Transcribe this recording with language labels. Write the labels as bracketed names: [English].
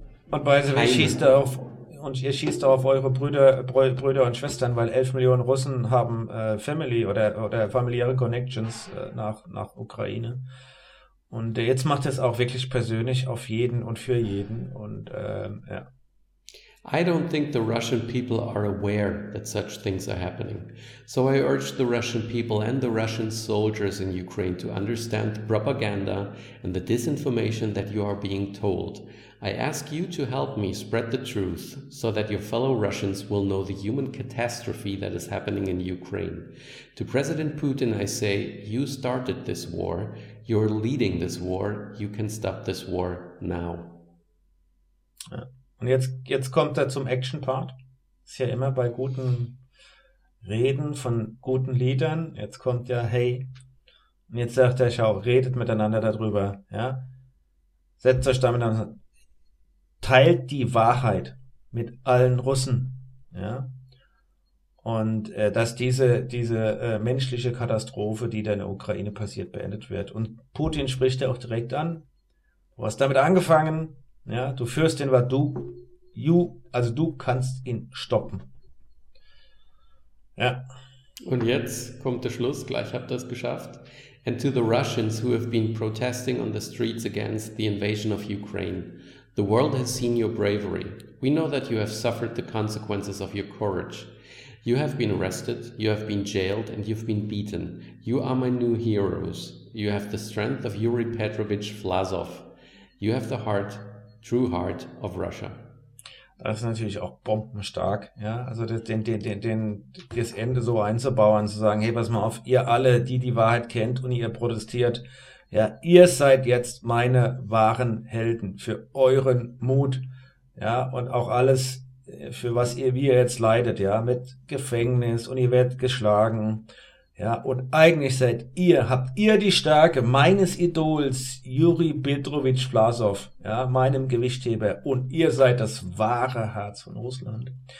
[German] Und [English] by the way, [German] ihr schießt auf eure Brüder und Schwestern, weil 11 Millionen Russen haben Family oder familiäre Connections nach Ukraine. Und jetzt macht es auch wirklich persönlich auf jeden und für jeden. Und ja. [English] I don't think the Russian people are aware that such things are happening. So I urge the Russian people and the Russian soldiers in Ukraine to understand the propaganda and the disinformation that you are being told. I ask you to help me spread the truth so that your fellow Russians will know the human catastrophe that is happening in Ukraine. To President Putin, I say, you started this war, you're leading this war, you can stop this war now. [German] Ja. Und jetzt kommt er zum Action-Part. Ist ja immer bei guten Reden von guten Liedern. Jetzt kommt ja, hey, und jetzt sagt er, schau, redet miteinander darüber. Ja? Setzt euch damit an. Teilt die Wahrheit mit allen Russen, ja, und dass diese menschliche Katastrophe, die da in der Ukraine passiert, beendet wird. Und Putin spricht ja auch direkt an, du hast damit angefangen, ja, du führst den, weil du kannst ihn stoppen. Ja. Und jetzt kommt der Schluss, gleich habt ihr es geschafft. [English] And to the Russians who have been protesting on the streets against the invasion of Ukraine. The world has seen your bravery. We know that you have suffered the consequences of your courage. You have been arrested, you have been jailed, and you've been beaten. You are my new heroes. You have the strength of Yuri Petrovich Vlasov. You have the heart, true heart of Russia. [German] Das ist natürlich auch bombenstark, ja. Also das Ende so einzubauen, zu sagen, hey, pass mal auf, ihr alle, die Wahrheit kennt und ihr protestiert, ja, ihr seid jetzt meine wahren Helden für euren Mut, ja, und auch alles, für was wie ihr jetzt leidet, ja, mit Gefängnis und ihr werdet geschlagen, ja, und eigentlich habt ihr die Stärke meines Idols, Yuri Petrovich Vlasov, ja, meinem Gewichtheber, und ihr seid das wahre Herz von Russland.